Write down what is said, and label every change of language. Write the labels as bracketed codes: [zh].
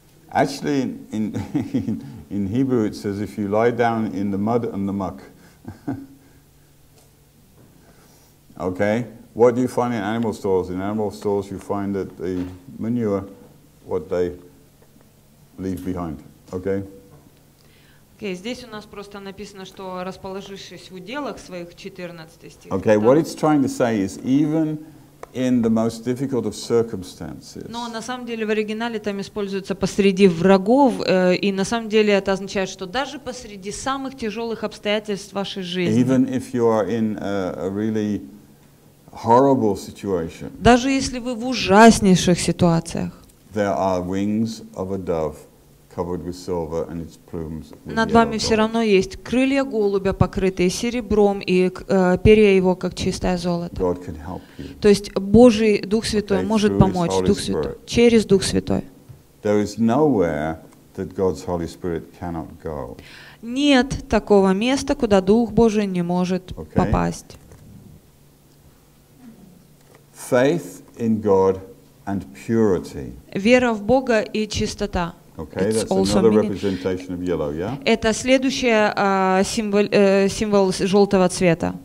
[en] Actually, in Hebrew, it says if you lie down in the mud and the muck. Okay. What do you find in animal stalls? In animal stalls, you find that the manure, what they leave behind. Okay. Okay. [ru] Здесь у нас просто написано, что расположившись в уделах своих 14 стих. [en] Okay. What it's trying to say is even in the most difficult of circumstances. [ru] Но на самом деле в оригинале там используется посреди врагов, и на самом деле это означает, что даже посреди самых тяжелых обстоятельств вашей жизни. [en] Even if you are in a really horrible situation. [ru] Даже если вы в ужаснейших ситуациях. [en] There are wings of a dove covered with silver and its plumes. [ru] Над вами все равно есть крылья голубя, покрытые серебром, и перья его как чистое золото. [en] God can help you. [ru] То есть Божий Дух Святой может помочь Дух Святой через Дух Святой. [en] There is nowhere that God's Holy Spirit cannot go. [ru] Нет такого места, куда Дух Божий не может попасть. [en] Faith in God and purity. [ru] Вера в Бога и чистота. [en] Okay, that's another representation of yellow, yeah? [ru] Это следующий символ желтого цвета.